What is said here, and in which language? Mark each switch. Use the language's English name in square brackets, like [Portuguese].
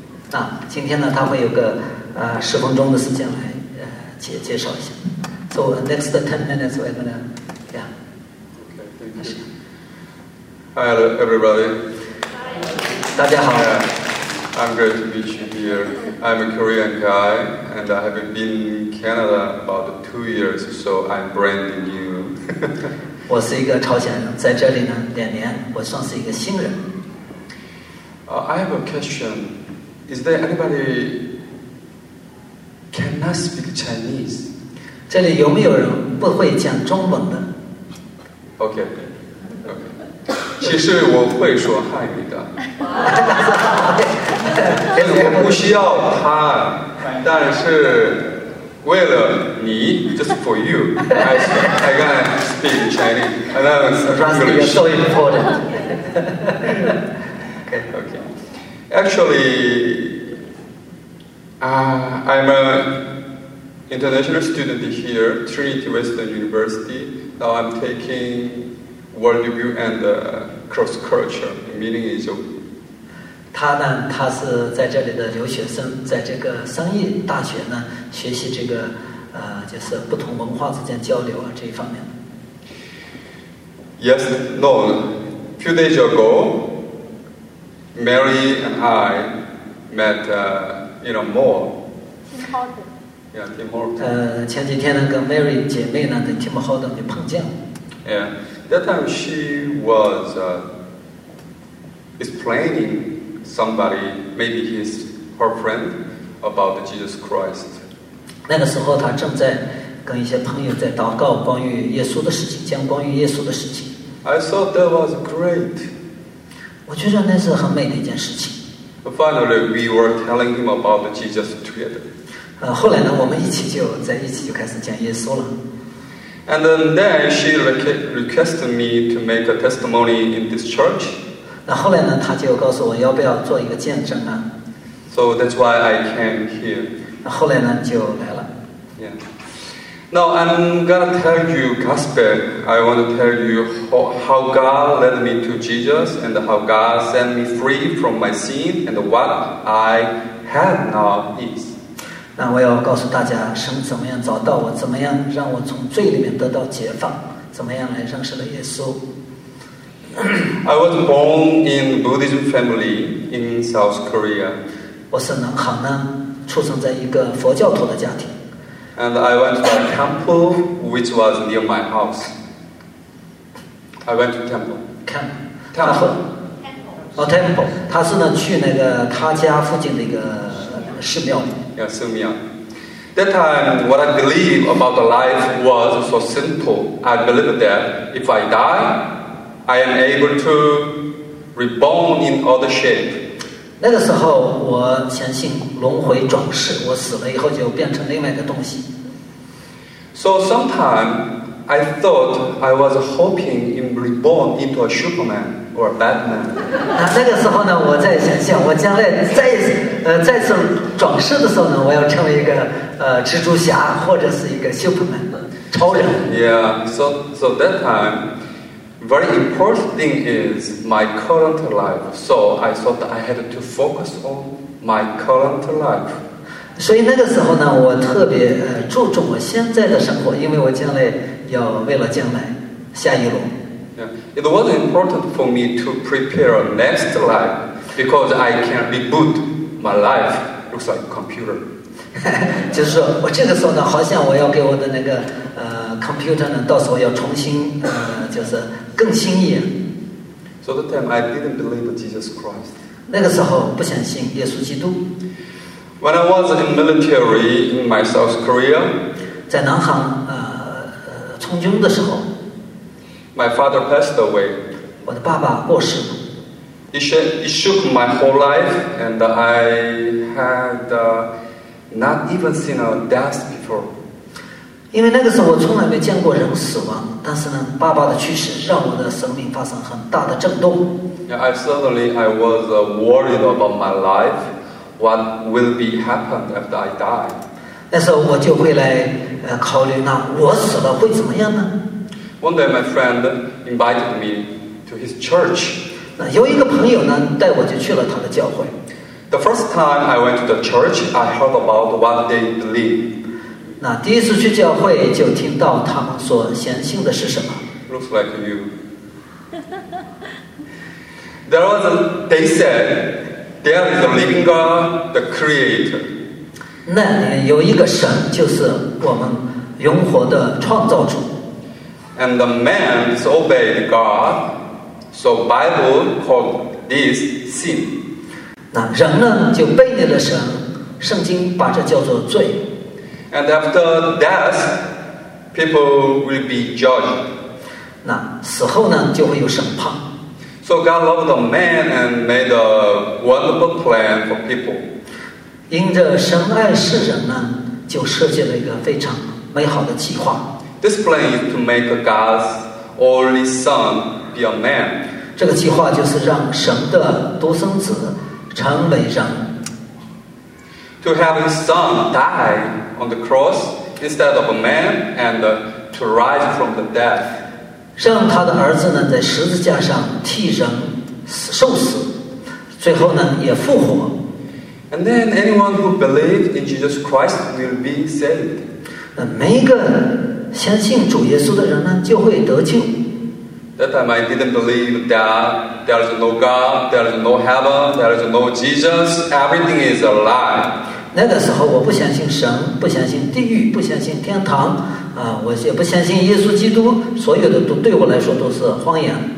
[Chinese] 那今天呢，他会有个。十分钟的时间来介绍一下。 [English] So next 10 minutes, we're gonna, Okay, thank you. Hi, everybody. Hi. [Chinese] 大家好。 [English] Yeah. I'm glad to meet you here. I'm a Korean guy, and I haven't been in Canada about 2 years, so I'm brand new. [Chinese] 我是一个朝鲜人，在这里呢两年，我算是一个新人。 [English] I have a question. Is there anybody cannot speak Chinese? [Chinese] 这里有没有人不会讲中文的？ [English] Okay. [Chinese] 其实我会说汉语的，但是我不需要他，但是为了你 ， [English] just for you， I can speak Chinese， and that's really so important. Okay. Actually, I'm an international student here, Trinity Western University. Now I'm taking worldview and cross culture. Meaning is. [Chinese] 他呢？他是在这里的留学生，在这个商业大学呢学习这个就是不同文化之间交流啊这一方面。 [English] Yes, no. Few days ago, Mary and I met in a mall. Tim Hortons. [Chinese] 前几天呢，跟 Mary 姐妹呢在 Tim Hortons 就碰见了。 [English] Yeah, that time she was explaining somebody, maybe his her friend, about Jesus Christ. [Chinese] 那个时候，她正在跟一些朋友在祷告关于耶稣的事情，讲关于耶稣的事情。 [English] I thought that was great. [Chinese] 我觉得那是很美的一件事情。 [English] Finally, we were telling him about Jesus together. [Chinese] 后来呢，我们一起就在一起就开始讲耶稣了。 [English] And then she requested me to make a testimony in this church. [Chinese] 那后来呢，她就告诉我要不要做一个见证啊。 [English] So that's why I came here. [Chinese] 那后来呢，就来了。 [English] Yeah. Now I'm gonna tell you gospel. I want to tell you how God led me to Jesus and how God set me free from my sin and what I have now is. [Chinese] 那我要告诉大家，神怎么样找到我，怎么样让我从罪里面得到解放，怎么样来认识了耶稣。 [English] I was born in Buddhist family in South Korea. [Chinese] 我是南韩呢，出生在一个佛教徒的家庭。 [English] And I went to a temple which was near my house. I went to temple. [Chinese] 他是呢去那个他家附近的一个寺庙。 [English] Yeah, so me. That time, what I believe about the life was so simple. I believe that if I die, I am able to reborn in other shape. [Chinese] 那个时候，我相信轮回转世，我死了以后就变成另外一个东西。 [English] So sometime, I thought I was hoping in reborn into a Superman. Or Batman. [Chinese] 那个时候呢，我在想象我将来再次转世的时候呢，我要成为一个蜘蛛侠或者是一个 Superman 超人。 [English] Yeah, so that time, very important thing is my current life. So I thought I had to focus on my current life. [Chinese] 所以那个时候呢，我特别注重我现在的生活，因为我将来要为了将来下一轮。 [English] It was important for me to prepare a next life because I can reboot my life. Looks like a computer. [Chinese] 就是说我这个时候呢，好像我要给我的那个computer 呢，到时候要重新就是更新一样。 [English] So that time I didn't believe Jesus Christ. [Chinese] 那个时候不相信耶稣基督。 [English] When I was in military in my South Korea, [Chinese] 在南韩从军的时候。 [English] My father passed away. [Chinese] 我的爸爸过世了。 [English] It shook my whole life, and I had not even seen a death before. [Chinese] 因为那个时候我从来没见过人死亡，但是呢，爸爸的去世让我的生命发生很大的震动。 [English] Yeah, I was worried about my life. What will be happened after I die? [Chinese] 那时候我就会来考虑，那我死了会怎么样呢？ [English] One day, my friend invited me to his church. [Chinese] 那有一个朋友呢，带我就去了他的教会。 [English] The first time I went to the church, I heard about what they believe. [Chinese] 那第一次去教会就听到他们所相信的是什么。 [English] Looks like you. They said There is a living God, the Creator. [Chinese] 那里有一个神，就是我们永活的创造主。 [English] And the man disobeyed God, so Bible called this sin. [Chinese] 那人呢就背离了神，圣经把这叫做罪。 [English] And after death, people will be judged. [Chinese] 那死后呢就会有审判。 [English] So God loved the man and made a wonderful plan for people. [Chinese] 因着神爱世人呢，就设计了一个非常美好的计划。 [English] This plan is to make God's only son be a man. [Chinese] 这个计划就是让神的独生子成为人。 [English] To have his son die on the cross instead of a man and to rise from the dead. [Chinese] 让他的儿子呢在十字架上替人受死，最后呢也复活。 [English] And then anyone who believes in Jesus Christ will be saved. [Chinese] 那每一个相信主耶稣的人呢就会得救。 [English] That time I didn't believe that there is no God, there is no heaven, there is no Jesus, everything is a lie. [Chinese] 那个时候我不相信神，不相信地狱，不相信天堂，我也不相信耶稣基督，所有的都对我来说都是谎言。